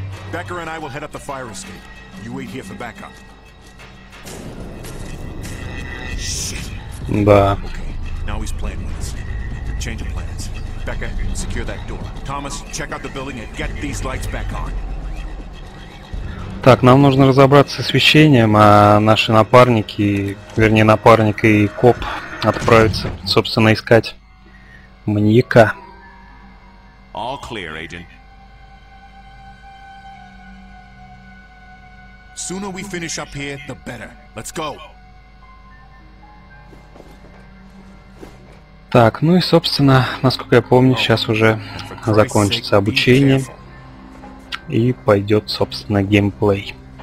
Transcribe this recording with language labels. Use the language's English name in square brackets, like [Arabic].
[English] Becker and I will head up the fire escape. You wait here for backup. Shit. [Russian] Да. [English] Okay. Now he's playing with us. Change of plans. Becker, secure that door. Thomas, check out the building and get these lights back on. [Russian] Так, нам нужно разобраться с освещением, а наши напарники, вернее напарник и коп отправятся, собственно, искать маньяка. [English] All clear, agent. Sooner we finish up here, the better. Let's go. [Russian] Так, ну и, собственно, насколько я помню, сейчас уже закончится обучение и пойдет, собственно, геймплей.